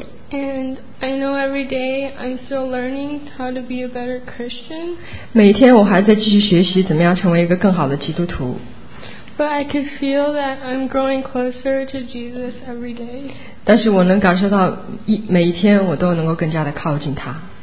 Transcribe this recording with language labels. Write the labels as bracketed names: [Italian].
[English] And I know every day I'm still learning how to be a better Christian. [Chinese] 每天我还在继续学习怎么样成为一个更好的基督徒。 [English] But I could feel that I'm growing closer to Jesus every day. [Chinese] 但是我能感受到每一天我都能够更加的靠近他。